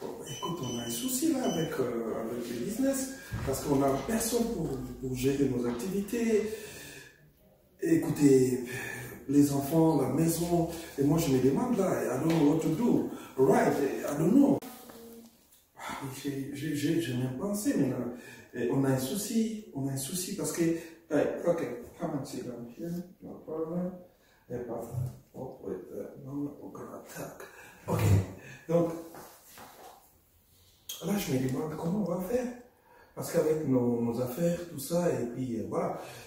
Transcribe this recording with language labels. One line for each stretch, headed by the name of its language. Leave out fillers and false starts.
French: Écoute, on a un souci là avec, avec le business parce qu'on n'a personne pour gérer nos activités. Écoutez, les enfants, la maison, et moi je me demande là,
English: I don't know what to do. Right, I don't know.
French: Ah, j'ai même pensé, mais là, on a un souci parce que.
English: Hey, ok, come and sit down here, no problem.
French: Et pas là.
English: Oh, wait,
French: non, on va attaquer. Ok, donc, là je me demande comment on va faire. Parce qu'avec nos affaires, tout ça, et puis voilà.